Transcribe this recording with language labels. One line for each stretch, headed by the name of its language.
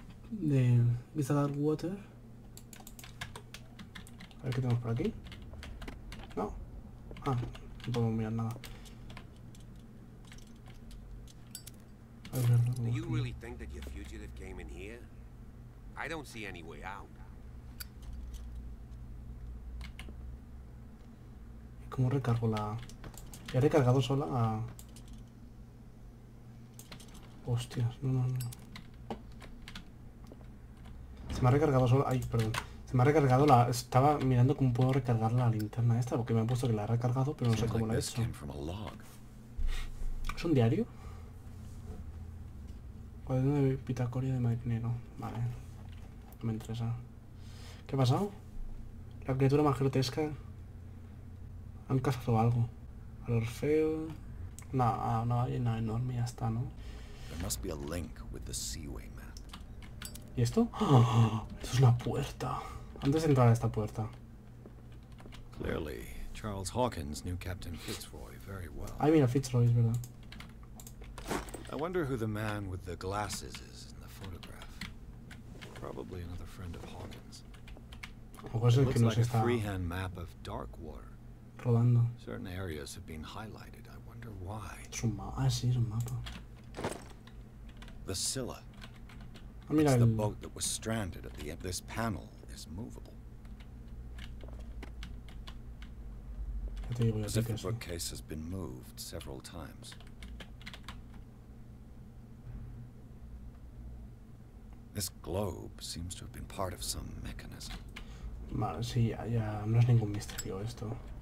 Spanish: de Vista Dark Water. A ver qué tenemos por aquí. No. Ah, no podemos mirar nada.
English: Do you really think that your fugitive came in here? I don't see any way out.
Spanish: ¿Cómo recargo la? ¿Ya he recargado sola? A... Hostias, no, no, no. Se me ha recargado sola. Ay, perdón. Se me ha recargado la. Estaba mirando cómo puedo recargar la linterna esta, porque me han puesto que la he recargado, pero no sé cómo la he hecho. ¿Es un diario? Cuaderno de Pitacoria de Marinero. Vale. No me interesa. ¿Qué ha pasado? La criatura más grotesca. Han cazado algo. Al Orfeo. No, una ballena enorme, ya está, ¿no?
English: There must be a link with the seaway map.
Spanish: ¿Y esto? ¡Oh! Esto es una puerta. Antes de entrar a esta puerta.
English: Clearly, Charles Hawkins knew Captain Fitzroy very well.
Spanish: Ay, mira, Fitzroy, es verdad.
English: I wonder who the man with the glasses is in the photograph. Probably another friend of Hawkins.
Spanish: Pues el que nos está
English: freehand map of dark water.
Spanish: Rodando.
English: Certain areas have been highlighted. I wonder why.
Spanish: Es un mapa. Ah, sí, es un mapa.
English: The Scylla.
Spanish: Ah, mira,
English: it's the boat that was stranded at the end. This panel is movable.
Spanish: Ya te digo,
English: the bookcase has been moved several times. This globe seems to have been part of some mechanism.
Spanish: Vale, sí, ya no es ningún misterio esto.